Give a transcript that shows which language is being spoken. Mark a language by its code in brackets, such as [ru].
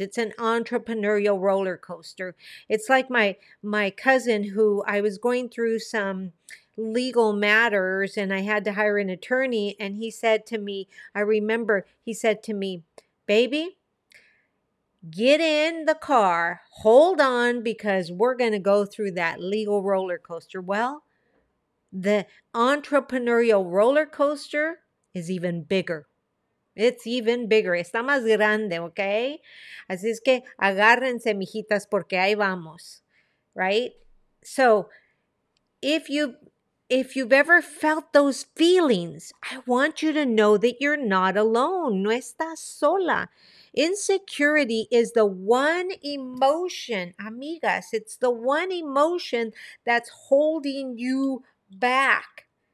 [en] It's an entrepreneurial roller coaster. It's like my cousin, who I was going through some legal matters and I had to hire an attorney, and he said to me, I remember he said to me, "Baby, get in the car, hold on, because we're going to go through that legal roller coaster." Well, the entrepreneurial roller coaster is even bigger. It's even bigger. [es] Está más grande, [en] okay? [es] Así es que agárrense, mijitas, porque ahí vamos, right? [en] So if you've ever felt those feelings, I want you to know that you're not alone. [es] No estás sola. [en] Insecurity is the one emotion, amigas, it's the one emotion that's holding you back.